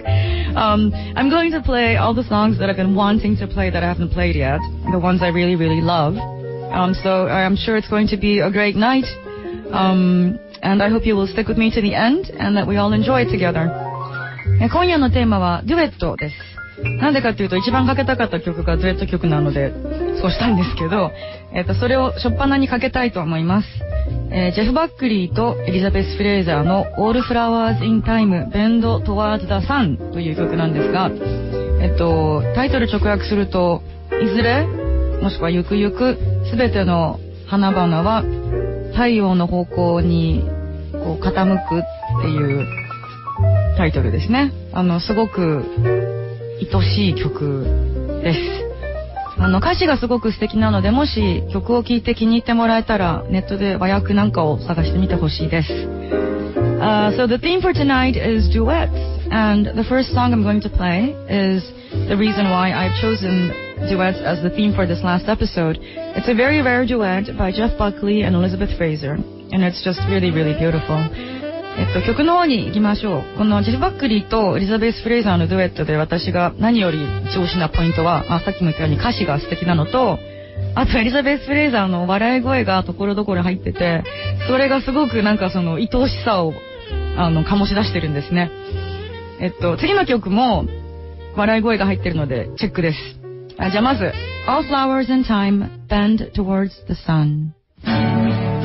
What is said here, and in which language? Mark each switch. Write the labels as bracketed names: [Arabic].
[English] I'm going to play all the songs that I've been wanting to play that I haven't played yet, the ones I really, really love. So I'm sure it's going to be a great night, and I hope you will stick with me to the end and that we all enjoy it together. [Japanese] 今夜のテーマはデュエットです。なんでかというと、一番かけたかった曲がデュエット曲なのでそうしたんですけど、それを初っ端にかけたいと思います。ジェフ・バックリーとエリザベス・フレイザーの All Flowers in Time Bend Towards the Sun という曲なんですが、タイトル直訳すると、いずれもしくはゆくゆく、すべての花々は太陽の方向にこう傾くっていうタイトルですね。すごく愛しい曲です。歌詞がすごく素敵なので、もし曲を聴いて気に入ってもらえたら、ネットで和訳なんかを探してみてほしいです。 [English] So the theme for tonight is duets, and the first song I'm going to play is the reason why I've chosenduets as the theme for this last episode. It's a very rare duet by Jeff Buckley and Elizabeth Fraser, and it's just really, really beautiful. 曲の方に行きましょう。このジェフ・バックリーとエリザベス・フレイザーのデュエットで、私が何より一押しなポイントは、さっきも言ったように歌詞が素敵なのと、あとエリザベス・フレイザーの笑い声が所々入ってて、それがすごくなんかその愛おしさを醸し出してるんですね。次の曲も笑い声が入ってるのでチェックです。 [Japanese] じゃあまず、 [English] All flowers in time bend towards the sun.